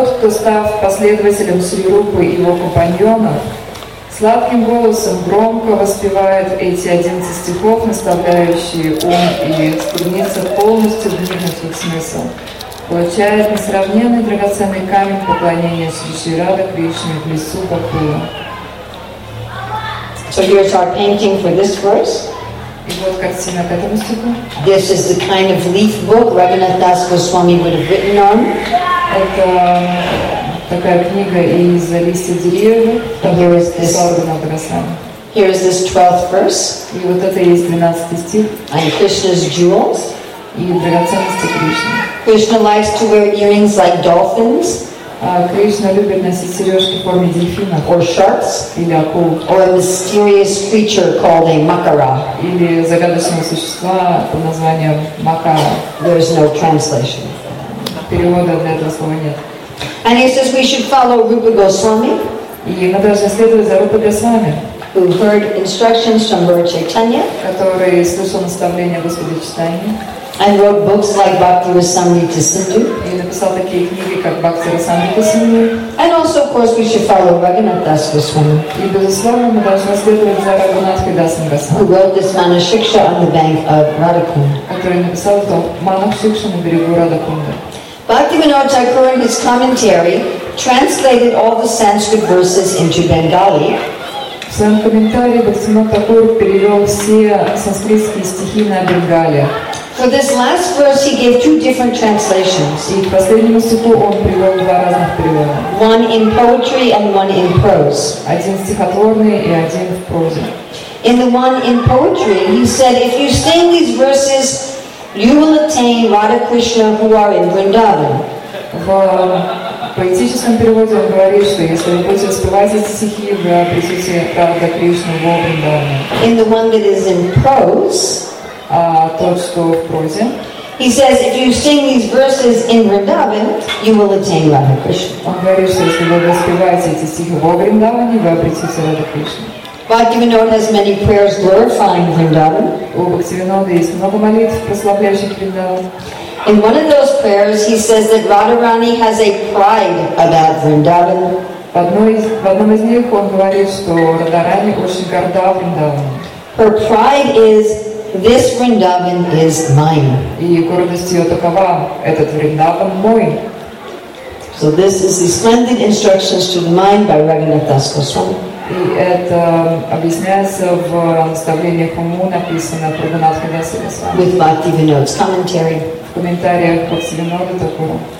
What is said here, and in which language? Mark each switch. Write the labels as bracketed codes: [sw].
[ru] став последователем Шри Рупы и его компаньонов, сладким голосом громко воспевает эти 11 стихов, наставляющие ум и стремится полностью вникнуть в их смысл, получает несравненный драгоценный камень поклонения Шри Шри Рады Кришне в лесу Кокула. [en] So here's our painting for this verse. [ru] И вот картина к этому стиху. [en] This is the kind of leaf book Raghunath Das Goswami would have written on. [ru] Это такая книга из листьев деревьев. [en] Here is this 12th verse. [ru] И вот это есть 12 стих. [en] And Krishna's jewels. [ru] И драгоценности Кришны. [en] Krishna likes to wear earrings like dolphins. [ru] Кришна любит носить сережки в форме дельфина. [en] Or sharks. [ru] Или акул. [en] Or a mysterious creature called a makara. [ru] Или загадочное существо под названием макара. [en] There is no translation. [ru] Перевода для этого слова нет. [en] And he says we should follow Rupa Goswami. [ru] И мы должны следовать за Рупа Госвами. [en] Who heard instructions from Lord Chaitanya. [ru] Который слышал наставления Господа Чайтаньи. [en] And wrote books like Bhakti Rasamrita Sindhu. [ru] И написал такие книги, как Бхакти Расамрита Синдху. [en] And also, of course, we should follow Raghunath Das Goswami. [ru] И безусловно, мы должны следовать за Раганатхи Дасом Госвами. [en] Who wrote this Manashiksha on the bank of Radhakunda. [ru] Который написал это Манашикша на берегу Радхакунды. [en] Bhaktivinoda Thakur, in his commentary, translated all the Sanskrit verses into Bengali. [ru] В своем комментарии Бхактивинода Такур перевел все санскритские стихи на бенгали. [en] For this last verse, he gave two different translations. [ru] И к последнему стиху он привел два разных перевода. [en] One in poetry and one in prose. [ru] Один стихотворный и один в прозе. [en] In the one in poetry, he said, if you sing these verses You will attain Radha Krishna who are in Vrindavan. [ru] В поэтическом переводе он говорит, что если вы будете успевать эти стихи, вы обретете Радха Кришну во Вриндаване. [en] In the one that is in prose, [ru] тот, что в прозе, [en] he says, if you sing these verses in Vrindavan, you will attain Radha Krishna. [ru] Он говорит, что если вы воспеваете эти стихи во Вриндаване, вы обретете Радха Кришну. [en] Bhaktivinoda has many prayers glorifying Vrindavan. [ru] У Бхактивинода есть много молитв, прославляющих Вриндаван. [en] In one of those prayers, he says that Radharani has a pride about Vrindavan. [ru] В одном из них он говорит, что Радхарани очень горда Вриндаваном. [en] Her pride is, this Vrindavan is mine. [ru] И гордость ее такова, этот Вриндаван мой. [en] So this is the splendid instructions to the mind by Raghunath Das Goswami. [ru] И это объясняется в наставлениях уму, написано про Раганат Хадаса Госвами. [en] With Bhaktivinoda's commentary. [ru] В комментариях Бхактивинода такого.